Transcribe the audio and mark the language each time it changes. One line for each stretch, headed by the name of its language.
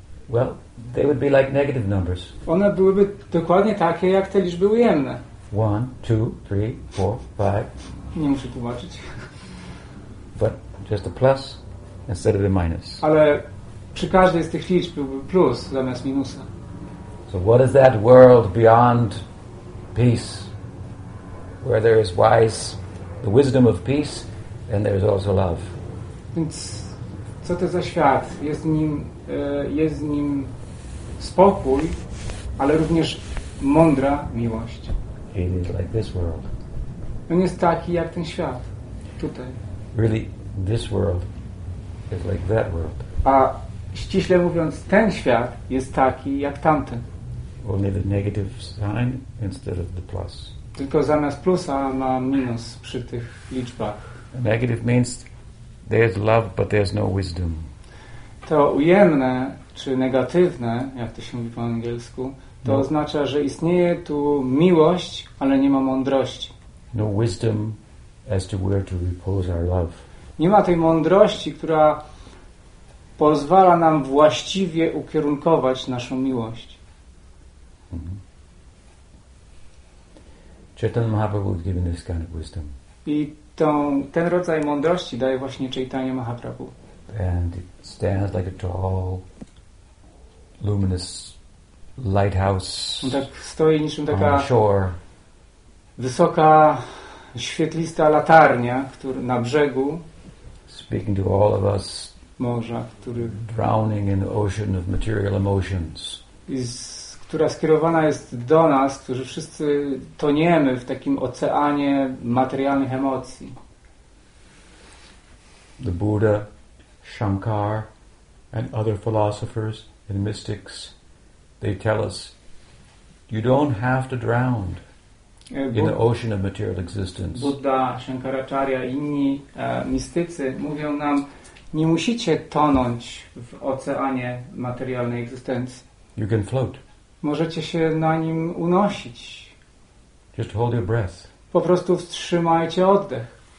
English: Well, they would be like negative numbers.
Polish: One byłyby dokładnie takie jak te liczby ujemne.
English: 1, 2, 3, 4, 5.
Polish: Nie muszę tłumaczyć.
English: But just a plus instead of a minus.
Polish: Ale przy każdej z tych liczb byłby plus zamiast minusa.
English: So what is that world beyond peace, where there is wise, the wisdom of peace, and there is also love?
Polish: Więc co to za świat? Jest nim spokój, ale również mądra miłość.
English: It is like this world.
Polish: On jest taki jak ten świat tutaj.
English: Really, this world is like that world.
Polish: A ściśle mówiąc, ten świat jest taki jak tamten.
English: Only the negative sign instead of the plus.
Polish: Tylko zamiast plusa ma minus przy tych liczbach.
English: A negative means there's love, but there's no wisdom.
Polish: To ujemne czy negatywne, jak to się mówi po angielsku, to no. Oznacza, że istnieje tu miłość, ale nie ma mądrości.
English: No wisdom as to where to repose our love.
Polish: Nie ma tej mądrości, która pozwala nam właściwie ukierunkować naszą miłość.
English: Chaitanya Mahaprabhu was given this kind of wisdom.
Polish: I ten rodzaj mądrości daje właśnie Chaitanya Mahaprabhu.
English: And it stands like a tall, luminous lighthouse
Polish: tak stoi niczym taka
English: on shore.
Polish: Wysoka, świetlista latarnia, który na brzegu.
English: Speaking to all of us.
Polish: Morza, który
English: drowning in the ocean of material emotions.
Polish: Która skierowana jest do nas, którzy wszyscy toniemy w takim oceanie materialnych emocji.
English: The Buddha, Shankar, and other philosophers and mystics, they tell us, you don't have to drown in the ocean of material existence.
Polish: Buddha, Shankaracharya i inni mistycy mówią nam, nie musicie tonąć w oceanie materialnej egzystencji.
English: You can float.
Polish: Możecie się na nim unosić.
English: Just hold your breath.
Polish: Po prostu wstrzymajcie oddech.